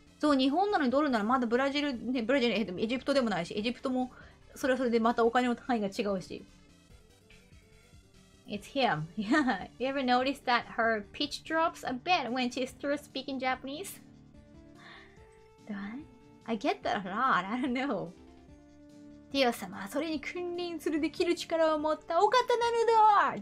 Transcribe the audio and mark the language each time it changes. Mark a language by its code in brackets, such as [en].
[ja] そう、日本なのにドルならまだブラジル、ね、ブラジルでもエジプトでもないし、エジプトもそれはそれでまたお金の単位が違うし。 [en] It's him. Yeah. You ever notice that her pitch drops a bit when she starts speaking Japanese? Do I get that a lot. I don't know. [ja] ディオ様、それに君臨するできる力を持ったお方なのだ。